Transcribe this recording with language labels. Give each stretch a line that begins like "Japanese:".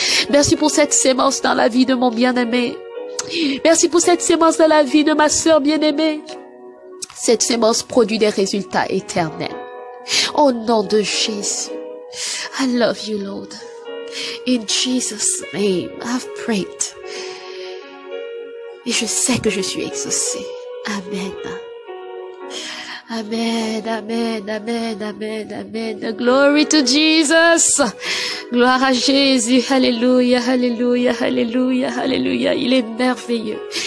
French: Merci pour cette sémence dans la vie de mon bien-aimé. Merci pour cette sémence dans la vie de ma sœur bien-aimée. Cette sémence produit des résultats éternels. Au nom de Jésus.
English: I love you, Lord. In Jesus' name, I've prayed.
French: Et je sais que je suis exaucée. Amen. Amen, amen, amen, amen, amen.
English: Glory to Jesus.
French: Gloire à Jésus. Alléluia, alléluia, alléluia, alléluia. Il est merveilleux.